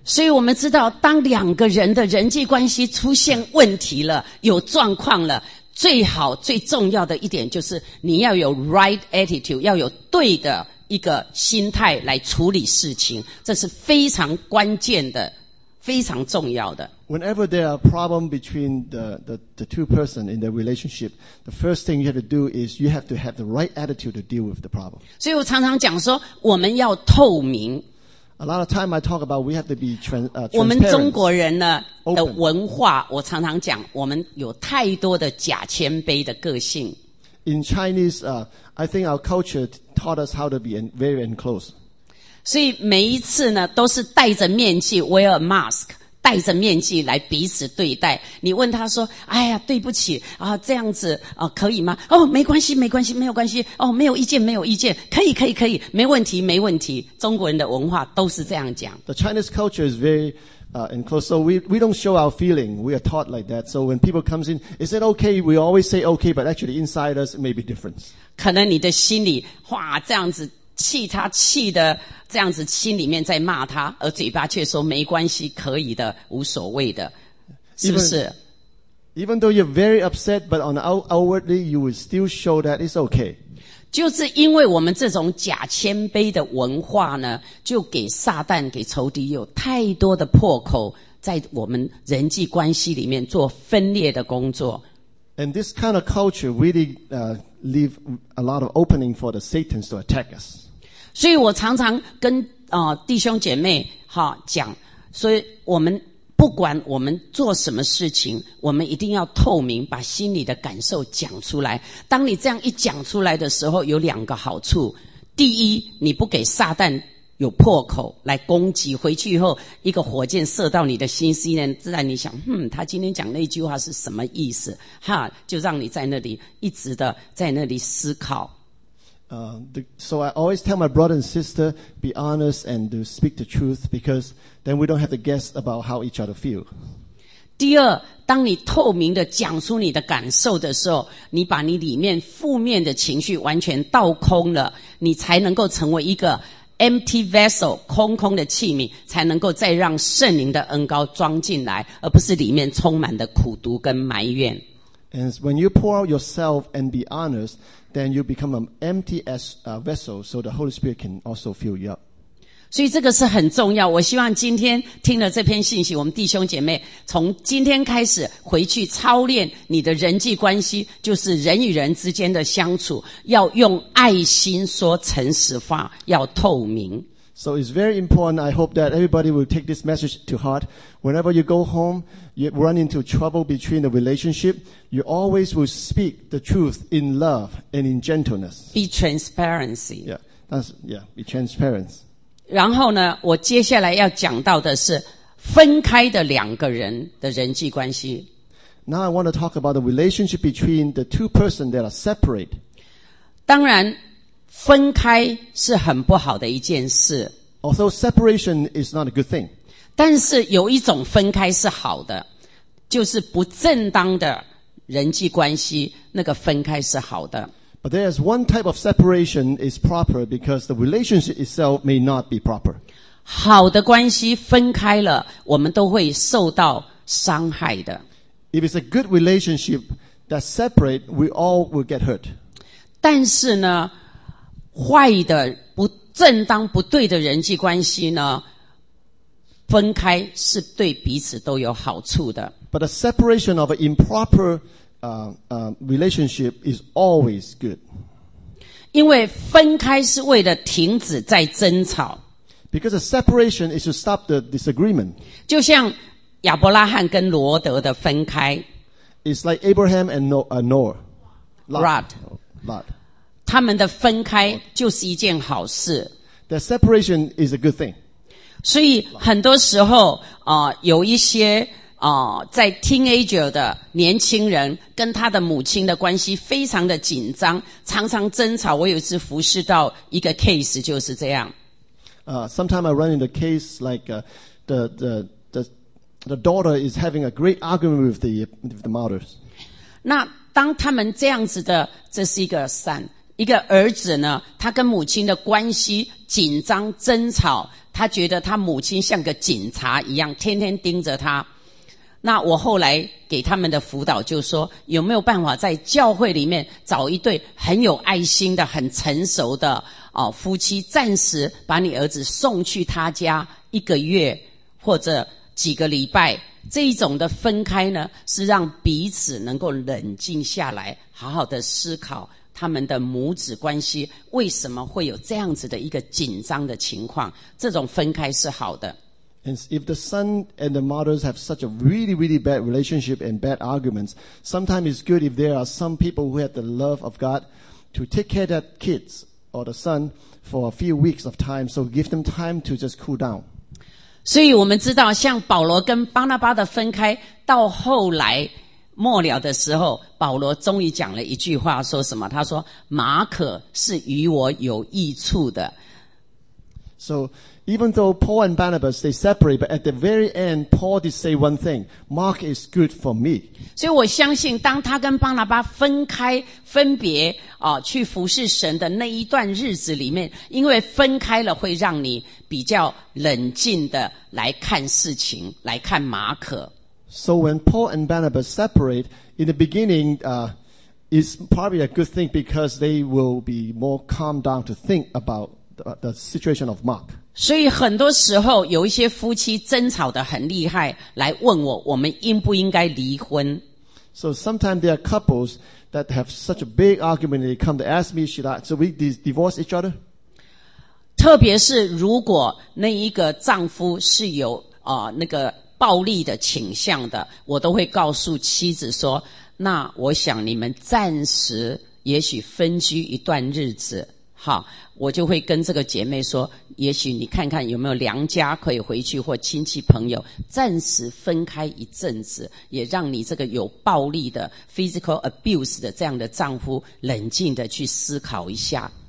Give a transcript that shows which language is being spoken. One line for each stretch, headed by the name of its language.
Chinese: 所以我们知道，当两个人的人际关系出现问题了，有状况了，最好最重要的一点就是你要有
English: right attitude，
Chinese: 要有对的一个心态来处理事情，这是非常关键的，非常重要的。
English: Whenever there are problem between the two person in their relationship, the first thing you have to do is you have to have the right attitude to deal with the problem.
Chinese: 所以我常常讲说，我们要透明。
English: A lot of time I talk about we have to be transparent.
Chinese: 我们中国人呢的文化，我常常讲，我们有太多的假谦卑的个性。
English: In Chinese, I think our culture taught us how to be very enclosed.
Chinese: 所以每一次呢，都是戴着面具 ，
English: wear a mask。
Chinese: 戴着面具来彼此对待，你问他说：“哎呀，对不起啊，这样子啊，可以吗？” 哦，没关系，没关系，没有关系。哦，没有意见，没有意见，可以，可以，可以，没问题，没问题。中国人的文化都是这样讲。
English: The Chinese culture is very enclosed, so we don't show our feeling. We are taught like that. So when people comes in, is it okay? We always say okay, but actually inside us it may be different.
Chinese: 可能你的心里哇这样子。气他气的这样子，心里面在骂他，而嘴巴却说没关系，可以的，无所谓的，是不是
English: ？Even though you're very upset, but on outwardly you will still show that it's okay.
Chinese: 就是因为我们这种假谦卑的文化呢，就给撒旦、给仇敌有太多的破口，在我们人际关系里面做分裂的工作。
English: And this kind of culture really leave a lot of opening for the Satans to attack us.
Chinese: 所以我常常跟弟兄姐妹讲，所以我们不管我们做什么事情，我们一定要透明，把心里的感受讲出来。当你这样一讲出来的时候，有两个好处：第一，你不给撒旦有破口来攻击，回去以后一个火箭射到你的心思念，自然你想他今天讲那句话是什么意思，哈，就让你在那里一直的在那里思考。
English: So I always tell my brother and sister, be honest and to speak the truth, because then we don't have to guess about how each other feel.
Chinese: 第二，当你透明的讲出你的感受的时候，你把你里面负面的情绪完全倒空了，你才能够成为一个
English: Empty vessel,
Chinese: 空空的器皿，才能够再让圣灵的恩膏装进来，而不是里面充满的苦毒跟埋怨。
English: And when you pour out yourself and be honest, then you become an empty vessel, so the Holy Spirit can also fill you up.
Chinese: 所以这个是很重要。我希望今天听了这篇信息，我们弟兄姐妹从今天开始回去操练你的人际关系，就是人与人之间的相处，要用爱心说诚实话，要透明。
English: So it's very important. I hope that everybody will take this message to heart. Whenever you go home, you run into trouble between the relationship, you always will speak the truth in love and in gentleness. Be transparency. Yeah, that's, yeah, be transparent.
Chinese: 然后呢，我接下来要讲到的是分开的两个人的人际关系。
English: Now I want to talk about the relationship between the two persons that are separate.
Chinese: 当然分开是很不好的一件事。
English: Although separation is not a good thing.
Chinese: 但是有一种分开是好的，就是不正当的人际关系，那个分开是好的。
English: But there is one type of separation is proper because the relationship itself may not be proper.
Chinese: 好的关系分开了，我们都会受到伤害的。
English: If it's a good relationship that separate, we all will get hurt.
Chinese: 但是呢坏的不正当不对的人际关系呢分开是对彼此都有好处的。
English: But a separation of an improper, relationship is always good.
Chinese: 因为分开是为了停止在争吵。
English: Because a separation is to stop the disagreement.
Chinese: 就像亚伯拉罕跟罗德的分开。
English: It's like Abraham and Lot. Lot.
Chinese: 他们的分开就是一件好事。
English: The separation is a good thing.
Chinese: 所以很多时候有一些在 teenager 的年轻人跟他的母亲的关系非常的紧张，常常争吵。我有一次服侍到一个 case 就是这样。
English: Sometimes I run into case like, the daughter is having a great argument with the mothers.
Chinese: 那当他们这样子的，这是一个善。一个儿子呢，他跟母亲的关系紧张争吵，他觉得他母亲像个警察一样，天天盯着他。那我后来给他们的辅导就说，有没有办法在教会里面找一对很有爱心的、很成熟的夫妻，暂时把你儿子送去他家一个月或者几个礼拜。这一种的分开呢，是让彼此能够冷静下来，好好的思考他们的母子关系为什么会有这样子的一个紧张的情况？这种分开是好的。
English: And if the son and the mothers have such a really, really bad relationship and bad arguments, sometimes it's good if there are some people who have the love of God to take care of that kids or the son for a few weeks of time, so give them time to just cool down.
Chinese: 所以我们知道，像保罗跟巴拿巴的分开，到后来。末了的时候，保罗终于讲了一句话，说什么？他说：“马可是与我有益处的。”
English: So, even though Paul and Barnabas they separate, but at the very end, Paul did say one thing: Mark is good for me.
Chinese: 所以我相信，当他跟巴拿巴分开、分别去服侍神的那一段日子里面，因为分开了，会让你比较冷静的来看事情，来看马可。
English: So when Paul and Barnabas separate, in the beginning, it's probably a good thing because they will be more calmed down to think about the situation of Mark.
Chinese: 所以很多时候有一些夫妻争吵得很厉害，来问我，我们应不应该离婚。
English: So sometimes there are couples that have such a big argument and they come to ask me, should we divorce each other?
Chinese: 特别是如果那一个丈夫是有那个暴力的倾向的，我都会告诉妻子说，那我想你们暂时也许分居一段日子，好，我就会跟这个姐妹说，也许你看看有没有娘家可以回去，或亲戚朋友暂时分开一阵子，也让你这个有暴力的
English: physical abuse
Chinese: 的这样的丈夫冷静的去思考一下。